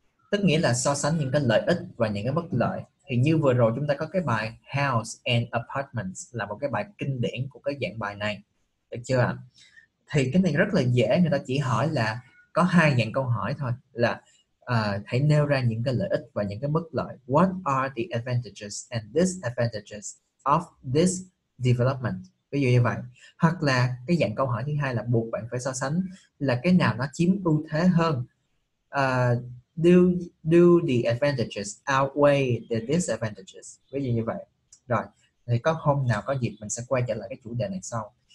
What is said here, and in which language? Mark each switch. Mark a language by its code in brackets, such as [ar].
[vi] Tức nghĩa là so sánh những cái lợi ích và những cái bất lợi. Thì như vừa rồi chúng ta có cái bài House and Apartments là một cái bài kinh điển của cái dạng bài này. Được chưa? Thì cái này rất là dễ, người ta chỉ hỏi là có hai dạng câu hỏi thôi, là hãy nêu ra những cái lợi ích và những cái bất lợi. [en] What are the advantages and disadvantages of this development? [vi] Ví dụ như vậy. Hoặc là cái dạng câu hỏi thứ hai là buộc bạn phải so sánh là cái nào nó chiếm ưu thế hơn. [en] Do the advantages outweigh the disadvantages? [vi] Ví dụ như vậy. Rồi, thì có hôm nào có dịp mình sẽ quay trở lại cái chủ đề này sau.